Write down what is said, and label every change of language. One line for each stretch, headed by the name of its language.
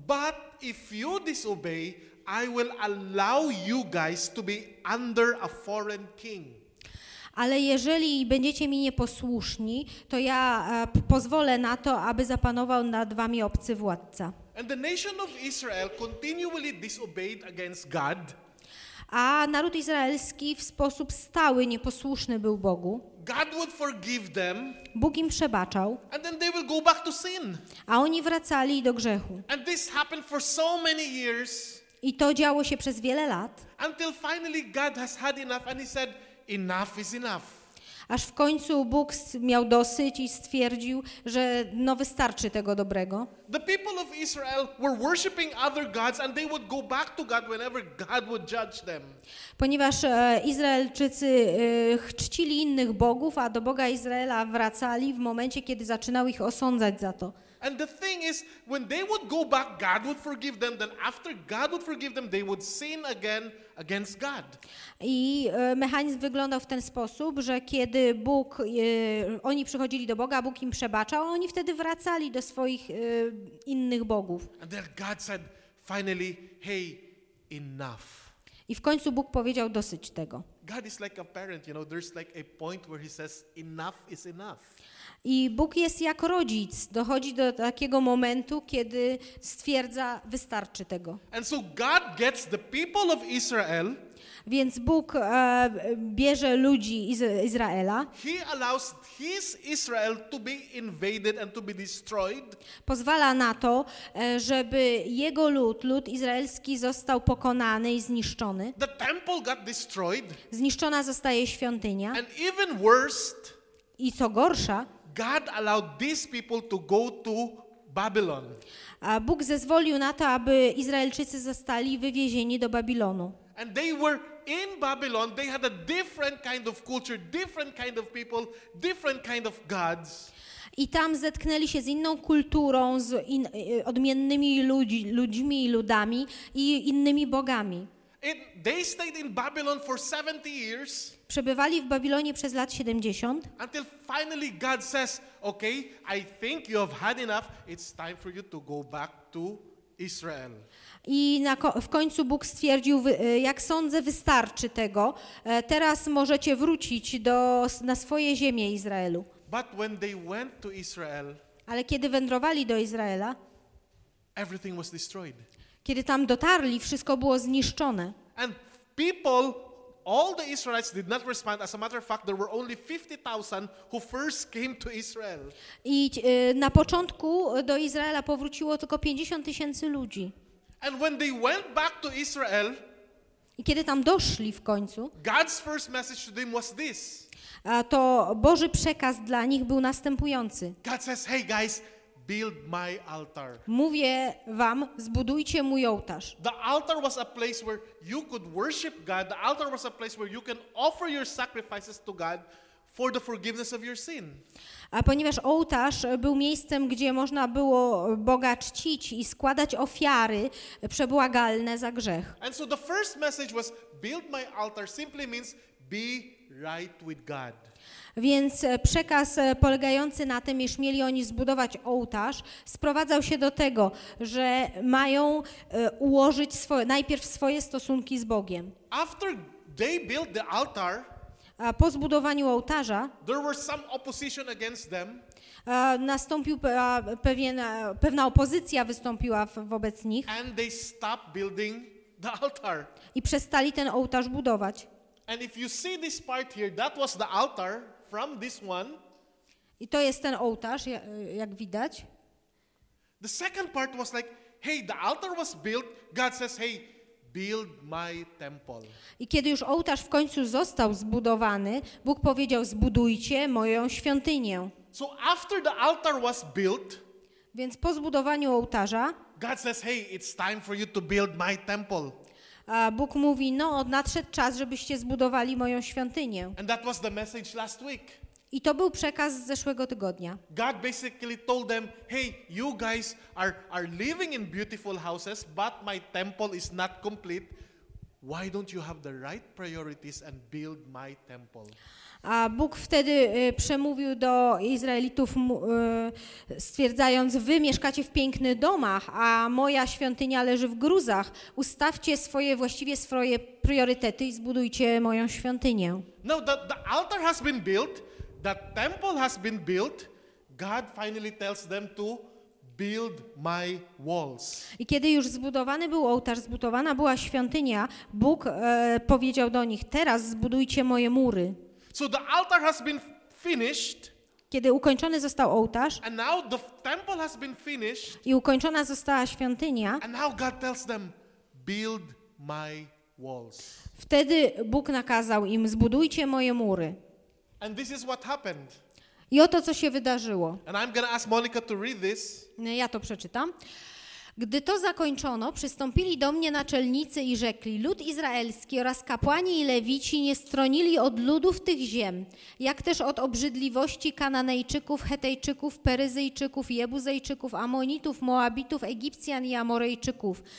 English: But if you disobey, I will allow you guys to be under a foreign king.
Polish: Ale jeżeli będziecie mi nieposłuszni, to ja pozwolę na to, aby zapanował nad wami obcy władca.
English: And the nation of Israel continually disobeyed against God.
Polish: A naród izraelski w sposób stały nieposłuszny był Bogu.
English: God would forgive them,
Polish: Bóg im przebaczał.
English: And then they will go back to sin.
Polish: A oni wracali do grzechu.
English: And this happened for so many years,
Polish: i to działo się przez wiele lat.
English: Until finally God has had enough and he said, enough is enough.
Polish: Aż w końcu Bóg miał dosyć i stwierdził, że no wystarczy tego dobrego.
English: The people of Israel were worshiping other gods and they would go back to God whenever God would judge them.
Polish: Ponieważ Izraelczycy chcili innych bogów, a do Boga Izraela wracali w momencie, kiedy zaczynał ich osądzać za to.
English: And the thing is, when they would go back, God would forgive them, then after God would forgive them, they would sin again against God.
Polish: I mechanizm wyglądał w ten sposób, że kiedy Bóg, oni przychodzili do Boga, Bóg im przebaczał, a oni wtedy wracali do swoich innych bogów.
English: And then God said, finally, hey, enough.
Polish: I w końcu Bóg powiedział, dosyć tego.
English: God is like a parent, you know, there's like a point where he says, enough is enough.
Polish: I Bóg jest jak rodzic, dochodzi do takiego momentu, kiedy stwierdza, wystarczy tego.
English: And so God gets the people of Israel.
Polish: Więc Bóg bierze ludzi Izraela.
English: He allows his Israel to be invaded and to be destroyed.
Polish: Pozwala na to, żeby jego lud izraelski został pokonany i zniszczony.
English: The temple got destroyed.
Polish: Zniszczona zostaje świątynia.
English: And even worse,
Polish: i co gorsza,
English: God allowed these people to go to Babylon.
Polish: A Bóg zezwolił na to, aby Izraelczycy zostali wywiezieni do Babilonu.
English: And they were in Babylon, they had a different kind of culture, different kind of people, different kind of gods.
Polish: I tam zetknęli się z inną kulturą, z odmiennymi ludźmi, ludami i innymi bogami.
English: They stayed in Babylon for 70 years.
Polish: Przebywali w Babilonie przez lat 70.
English: Until finally God says, "Okay, I think you have had enough. It's time for you to go back to Israel."
Polish: I w końcu Bóg stwierdził, jak sądzę, wystarczy tego. Teraz możecie wrócić na swoje ziemię Izraelu.
English: But when they went to Israel,
Polish: ale kiedy wędrowali do Izraela,
English: everything was destroyed.
Polish: Kiedy tam dotarli, wszystko było zniszczone.
English: And people, all the Israelites did not respond. As a matter of fact, there were only 50,000 who first came to Israel.
Polish: I na początku do Izraela powróciło tylko 50 tysięcy ludzi.
English: And when they went back to Israel,
Polish: i kiedy tam doszli w końcu,
English: God's first message to them was this.
Polish: To Boży przekaz dla nich był następujący.
English: God says, "Hey guys, build my altar."
Polish: Mówię wam, zbudujcie mój ołtarz.
English: The altar was a place where you could worship God. The altar was a place where you can offer your sacrifices to God for the forgiveness of your sin.
Polish: A ponieważ ołtarz był miejscem, gdzie można było Boga czcić i składać ofiary przebłagalne za grzech.
English: And so the first message was, build my altar simply means be right with God.
Polish: Więc przekaz polegający na tym, iż mieli oni zbudować ołtarz, sprowadzał się do tego, że mają ułożyć najpierw swoje stosunki z Bogiem.
English: After they built the altar,
Polish: a po zbudowaniu ołtarza,
English: there was some opposition against them.
Polish: Nastąpił pewna opozycja wystąpiła wobec nich.
English: And they stopped building the altar.
Polish: I przestali ten ołtarz budować.
English: And if you see this part here, that was the altar from this one.
Polish: I to jest ten ołtarz, jak widać.
English: The second part was like, hey, the altar was built. God says, hey, build my temple.
Polish: I kiedy już ołtarz w końcu został zbudowany, Bóg powiedział, zbudujcie moją świątynię.
English: So after the altar was built,
Polish: więc po zbudowaniu ołtarza,
English: God says, hey, it's time for you to build my temple.
Polish: A Bóg mówi, no, nadszedł czas, żebyście zbudowali moją świątynię.
English: And that was the message last week.
Polish: I to był przekaz z zeszłego tygodnia.
English: God basically told them, hey, you guys are living in beautiful houses, but my temple is not complete. Why don't you have the right priorities and build my temple?
Polish: A Bóg wtedy przemówił do Izraelitów, stwierdzając, wy mieszkacie w pięknych domach, a moja świątynia leży w gruzach. Ustawcie swoje priorytety i zbudujcie moją świątynię.
English: Now the altar has been built, the temple has been built, God finally tells them to build my walls.
Polish: I kiedy już zbudowany był ołtarz, zbudowana była świątynia, Bóg powiedział do nich, teraz zbudujcie moje mury.
English: So the altar has been finished.
Polish: Kiedy ukończony został ołtarz.
English: And now the temple has been finished.
Polish: I ukończona została świątynia.
English: And now God tells them, build my walls.
Polish: Wtedy Bóg nakazał im, zbudujcie moje mury.
English: And this is what happened.
Polish: I oto co się wydarzyło.
English: And I'm gonna ask Monica to read this.
Polish: Ja to przeczytam. Gdy to zakończono, przystąpili do mnie naczelnicy i rzekli, lud izraelski oraz kapłani i lewici nie stronili od ludów tych ziem, jak też od obrzydliwości Kananejczyków, Hetejczyków, Peryzyjczyków, Jebuzejczyków, Amonitów, Moabitów, Egipcjan i Amorejczyków.